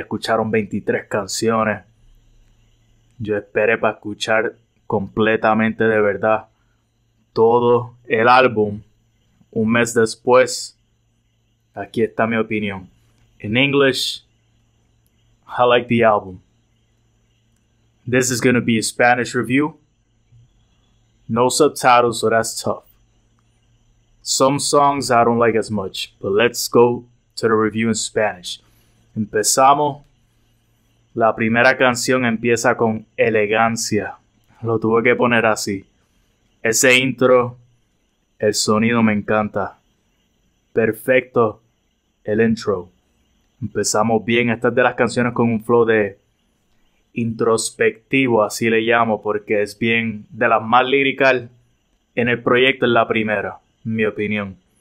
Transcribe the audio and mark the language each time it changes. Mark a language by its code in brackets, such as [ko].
[es] Escucharon 23 canciones. Yo esperé para escuchar completamente de verdad todo el álbum. Un mes después, aquí está mi opinión. En inglés. [en] I like the album. This is gonna be a Spanish review. No subtitles, so that's tough. Some songs I don't like as much, but let's go to the review in Spanish. [es] Empezamos. La primera canción empieza con elegancia. Lo tuve que poner así. Ese intro, el sonido me encanta. Perfecto, el intro. Empezamos bien, estas de las canciones con un flow de introspectivo, así le llamo, porque es bien de las más líricas en el proyecto, es la primera, en mi opinión.